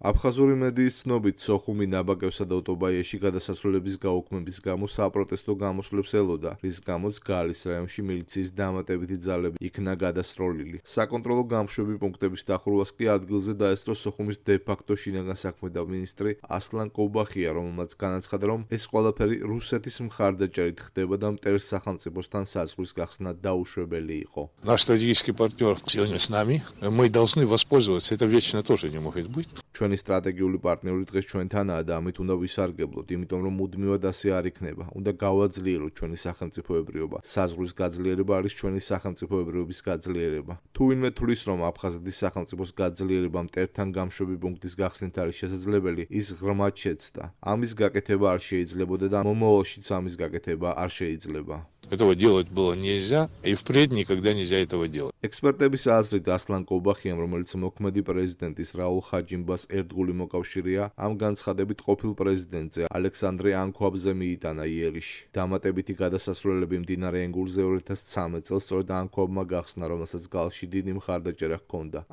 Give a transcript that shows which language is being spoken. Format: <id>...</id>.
<ka>აფხაზური მედიის ცნობით, სოხუმი ნაბაკევსა და ოტობაიაში გადასასვლელების გაუქმების გამო საპროტესტო გამოსვლებს ელოდა, რის გამოც გალის რაიონში მილიციის დამატებითი ძალები იქნა გადასროლილი. საკონტროლო გამშვები პუნქტების დახურვას კი ადგილზე დაესწრო სოხუმის დე-ფაქტო შინაგან საქმეთა მინისტრი ასლან კობახია, რომელმაც განაცხადა, რომ ეს ყველაფერი რუსეთის მხარდაჭერით ხდება და მტერს სახელმწიფოსთან საზღვრის გახსნა დაუშვებელი იყო.</ka> <ru>Наш стратегический партнер сегодня с нами. Мы должны воспользоваться. Это вечно тоже не может быть.</ru> <ka>ჩვენი სტრატეგიული პარტნიორი დღეს ჩვენთანაა და ამით უნდა ვისარგებლოთ, იმიტომ რომ მუდმივად ასე არ იქნება. უნდა გავაძლიეროთ ჩვენი სახელმწიფოებრიობა. საზღვრის გაძლიერება არის ჩვენი სახელმწიფოებრიობის გაძლიერება. თუ ვინმე თვლის, რომ აფხაზეთის სახელმწიფოს გაძლიერება მტერთან გამშვები პუნქტის გახსნით არის შესაძლებელი, ის ღრმად შეცდა. ამის გაკეთება არ შეიძლებოდა და მომავალშიც ამის გაკეთება არ შეიძლება.</ka> <ru>Этого делать было нельзя, и впредь никогда нельзя этого делать.</ru> <ka>Экспертების აზრით, ასლან კობახიამ, რომელიც მოქმედი პრეზიდენტის რაულ ხაჯიმბას ერთგული მოკავშირეა, ამ განცხადებით ყოფილ პრეზიდენტზე ალექსანდრე ანქვაბზე მიიტანა იერიში. დამატებითი გადასასვლელები მდინარე ენგურზე 2013 წელს სწორედ ანქვაბმა გახსნა, რომელსაც გალში დიდი მხარდაჭერა ჰქონდა.</ka>